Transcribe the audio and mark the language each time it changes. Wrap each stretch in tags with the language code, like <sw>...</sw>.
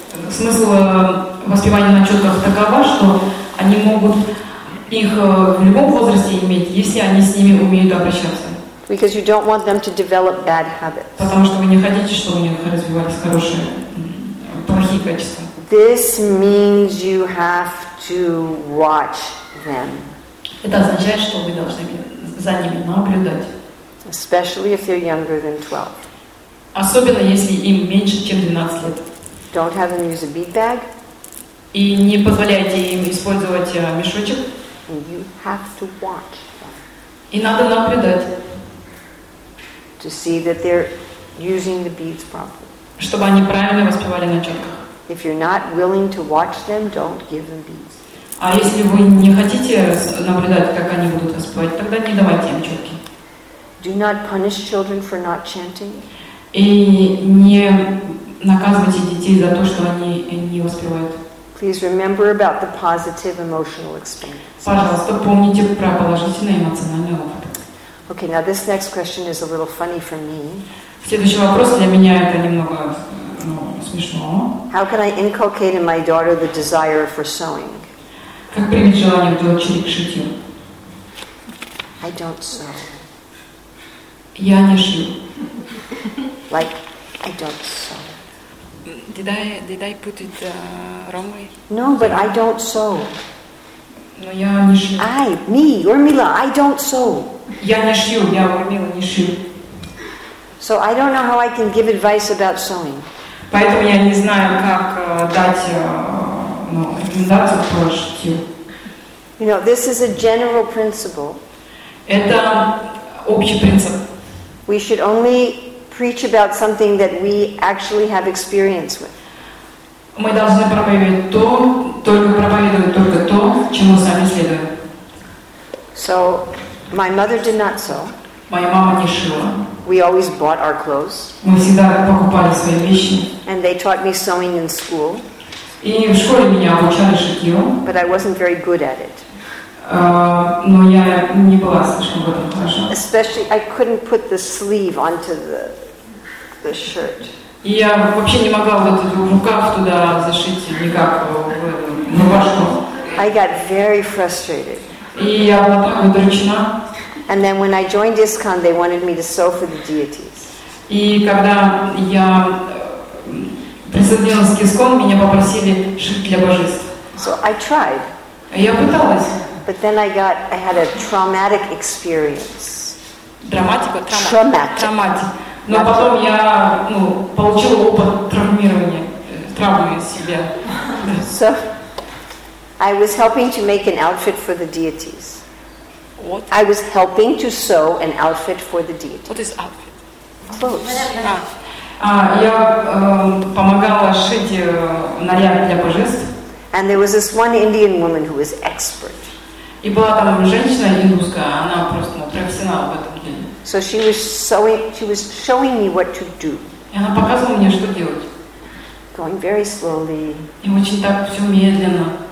<ru>Смысл воспевания на четках такова, что они могут их в любом возрасте иметь, если они с ними умеют обращаться.</ru> <en>Because you don't want them to develop bad habits.</en> <ru>Потому что вы не хотите, чтобы у них развивались хорошие, плохие качества.</ru> <en>This means you have to watch them.</en> <ru>Это означает, что вы должны за ними наблюдать.</ru> <en>Especially if they're younger than 12.</en> <ru>Особенно если им меньше, чем 12 лет.</ru> <en>Don't have them use a bead bag.</en> <ru>И не позволяйте им использовать мешочек.</ru> <en>And you have to watch.</en> <ru>И надо наблюдать.</ru> <en>To see that they're using the beads properly.</en> <ru>Чтобы они правильно воспевали на четках.</ru> <en>If you're not willing to watch them, don't give them beads.</en> <ru>А если вы не хотите наблюдать, как они будут воспевать, тогда не давайте им четки.</ru> <en>Do not punish children for not chanting.</en> <ru>И не наказывайте детей за то, что они не воспевают.</ru> <en>Please remember about the positive emotional experience.</en> <ru>Пожалуйста, помните про положительный эмоциональный опыт.</ru> <en>Okay, now this next question is a little funny for me.</en> <ru>Следующий вопрос для меня это немного смешно.</ru> <en>How can I inculcate in my daughter the desire for sewing?</en> <ru>Как привить желание в дочери к шитью?</ru> <en>I don't sew. Я не шью. Like, I don't sew. Did I put it wrong way? No, but I don't sew.</en> <ru>Но я не шью.</ru> <en>Урмила, I don't sew.</en> <ru>Я не шью, я Урмила не шью.</ru> <en>So I don't know how I can give advice about sewing.</en> <ru>Поэтому я не знаю, как дать рекомендацию по шитью.</ru> <en>You know, this is a general principle.</en> <ru>Это общий принцип.</ru> <en>We should only preach about something that we actually have experience with.</en> <ru>Мы должны проповедовать то, только проповедовать только то, чему сами следуем.</ru> <en>So, my mother did not sew.</en> <ru>Моя мама не шила.</ru> <en>We always bought our clothes.</en> <ru>Мы всегда покупали свои вещи.</ru> <en>And they taught me sewing in school.</en> <ru>И в школе меня обучали шитью.</ru> <en>But I wasn't very good at it.</en> <ru>Но я не была слишком в этом хороша.</ru> <en>Especially, I couldn't put the sleeve onto the shirt.</en> <ru>И я вообще не могла вот этот рукав туда зашить никак в рубашку.</ru> <en>I got very frustrated.</en> <ru>И я была так удручена.</ru> <en>And then when I joined ISKCON, they wanted me to sew for the deities.</en> <ru>И когда я присоединилась к ISKCON, меня попросили шить для божеств.</ru> <en>So I tried.</en> <ru>Я пыталась.</ru> <en>But then I had a traumatic experience. Traumatic.</en> <ru>Но потом я, получила опыт травмирования, травмы себя.</ru> <en>So, I was helping to make an outfit for the deities. What? I was helping to sew an outfit for the deities. What is outfit? Clothes.</en> <ru>Я помогала шить наряд для божеств.</ru> <en>And there was this one Indian woman who was expert.</en> <ru>И была там женщина индусская, она просто профессионал в этом деле.</ru> <en>So she was sewing, she was showing me what to do.</en> <ru>И она показывала мне, что делать.</ru> <en>Going very slowly.</en> <ru>И очень так все медленно.</ru>